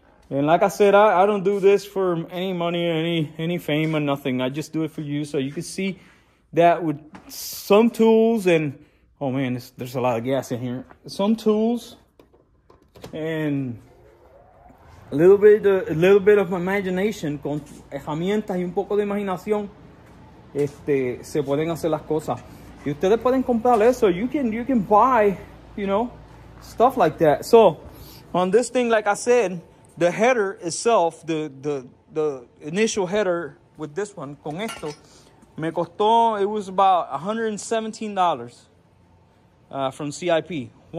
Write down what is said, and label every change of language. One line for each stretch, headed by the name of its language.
English: And like I said, I don't do this for any money or any fame or nothing. I just do it for you so you can see that with some tools and... Oh, man, there's a lot of gas in here. Some tools and a little bit of imagination.
Spanish: Con herramientas y un poco de imaginación, se pueden hacer las cosas. Y ustedes pueden comprar eso.
English: You can buy, you know, stuff like that. So, on this thing, like I said, the header itself, the initial header with this one,
Spanish: con esto, me costó,
English: it was about $117 from CIP.